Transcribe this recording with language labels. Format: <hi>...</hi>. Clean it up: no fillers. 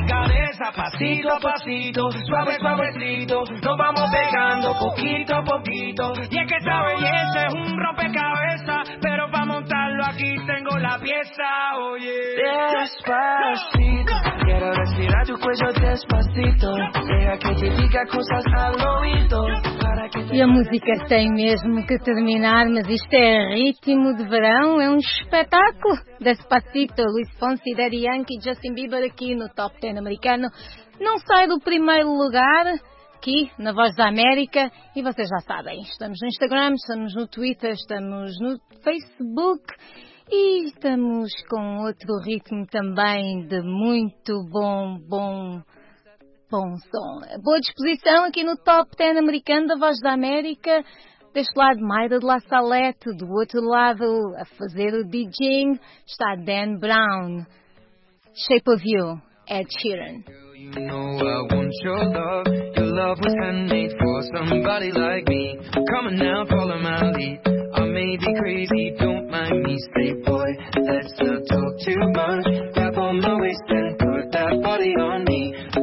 <es>Pasito a pasito, suave, suavecito, nos vamos pegando poquito a poquito. Y es que esta belleza es un rompecabezas, pero pa' montarlo aquí tengo la pieza, oye. Oh yeah. Despacito, quiero respirar tu cuello despacito, deja que te diga cosas al oído.</es> <pt>E a música tem mesmo que terminar, mas isto é ritmo de verão, é um espetáculo. Despacito, Luis Fonsi, Daddy Yankee, Justin Bieber aqui no Top 10 americano. Não sai do primeiro lugar, aqui na Voz da América. E vocês já sabem, estamos no Instagram, estamos no Twitter, estamos no Facebook. E estamos com outro ritmo também de muito bom som. Boa disposição aqui no Top 10 americano da Voz da América. Deste lado, Mayra de La Salette. Do outro lado, a fazer o DJing, está Dan Brown. Shape of You, Ed Sheeran.</pt> <en>You know I want your love. Your love was handmade for somebody like me. Come on now, follow my lead. I may be crazy, don't mind me. Say boy, let's not talk too much. Grab on my waist and put that body on me.</en>